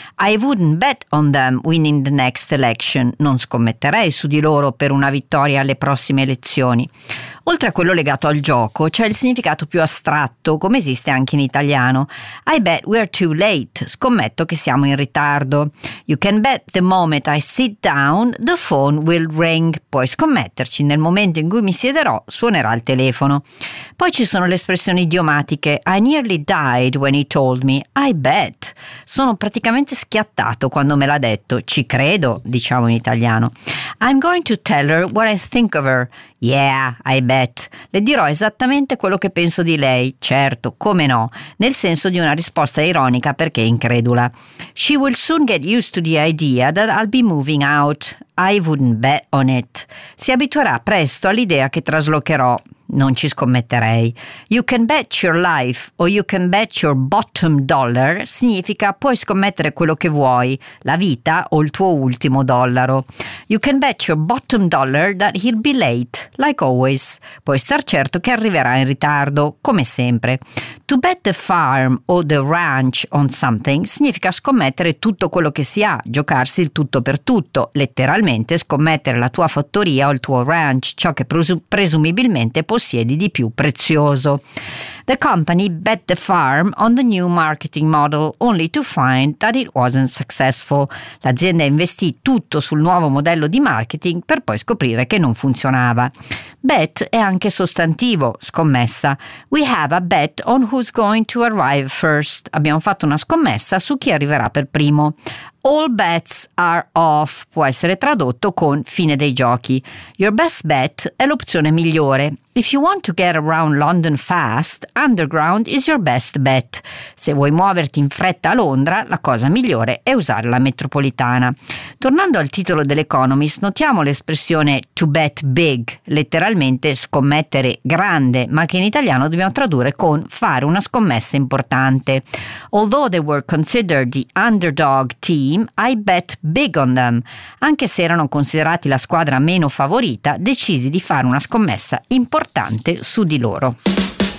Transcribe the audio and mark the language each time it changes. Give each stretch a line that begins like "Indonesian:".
English: I wouldn't bet on them winning the next election.
Italian: Non scommetterei su di loro per una vittoria alle prossime elezioni. Oltre a quello legato al gioco, c'è il significato più astratto, come esiste anche in italiano.
English: I bet we're too late.
Italian: Scommetto che siamo in ritardo.
English: You can bet the moment I sit down, the phone will ring.
Italian: Puoi scommetterci, nel momento in cui mi siederò, suonerà il telefono. Poi ci sono le espressioni idiomatiche.
English: I nearly died when he told me. I bet.
Italian: Sono praticamente schiattato quando me l'ha detto. Ci credo, diciamo in italiano.
English: I'm going to tell her what I think of her. Yeah, I bet.
Italian: Le dirò esattamente quello che penso di lei. Certo, come no. Nel senso di una risposta ironica perché incredula.
English: She will soon get used to the idea that I'll be moving out. I wouldn't bet on it.
Italian: Si abituerà presto all'idea che traslocherò. Non ci scommetterei.
English: You can bet your life or you can bet your bottom dollar
Italian: significa puoi scommettere quello che vuoi, la vita o il tuo ultimo dollaro.
English: You can bet your bottom dollar that he'll be late, like always.
Italian: Puoi star certo che arriverà in ritardo, come sempre.
English: To bet the farm or the ranch on something
Italian: significa scommettere tutto quello che si ha, giocarsi il tutto per tutto, letteralmente scommettere la tua fattoria o il tuo ranch, ciò che presumibilmente possiedi di più prezioso.
English: The company bet the farm on the new marketing model only to find that it wasn't successful.
Italian: L'azienda investì tutto sul nuovo modello di marketing per poi scoprire che non funzionava. Bet è anche sostantivo, scommessa.
English: We have a bet on who's going to arrive first.
Italian: Abbiamo fatto una scommessa su chi arriverà per primo.
English: All bets are off
Italian: può essere tradotto con fine dei giochi.
English: Your best bet
Italian: è l'opzione migliore.
English: If you want to get around London fast, underground is your best bet.
Italian: Se vuoi muoverti in fretta a Londra, la cosa migliore è usare la metropolitana. Tornando al titolo dell'Economist, notiamo l'espressione
English: to bet big,
Italian: letteralmente scommettere grande, ma che in italiano dobbiamo tradurre con fare una scommessa importante.
English: Although they were considered the underdog team, I bet big on them.
Italian: Anche se erano considerati la squadra meno favorita, decisi di fare una scommessa importante su di loro.